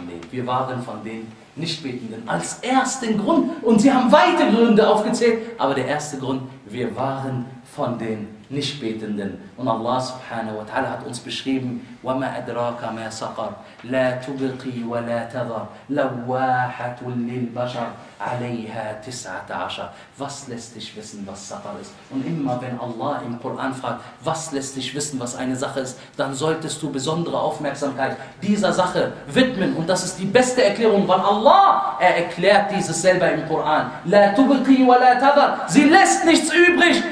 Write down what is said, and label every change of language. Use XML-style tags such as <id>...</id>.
<de>Wir waren von den Nichtbetenden als ersten Grund. Und sie haben weitere Gründe aufgezählt. Aber der erste Grund, wir waren von den Nichtbetenden. Und Allah subhanahu wa ta'ala hat uns beschrieben,</de> <ar>وَمَا أَدْرَاكَ مَا سَقَرْ لَا تُبْقِي وَلَا تَذَرْ لَوَّاحَةٌ لِلْبَشَرْ عَلَيْهَا تِسْعَةَ عَشَرْ.</ar> <de>Was lässt dich wissen, was Saqar ist? Und immer wenn Allah im Koran fragt, was lässt dich wissen, was eine Sache ist, dann solltest du besondere Aufmerksamkeit dieser Sache widmen. Und das ist die beste Erklärung, weil Allah, er erklärt dieses selber im Koran.</de> <ar>لَا تُبْقِي وَلَا تَذَرْ.</ar> <de>Sie lässt nichts übrig.</de>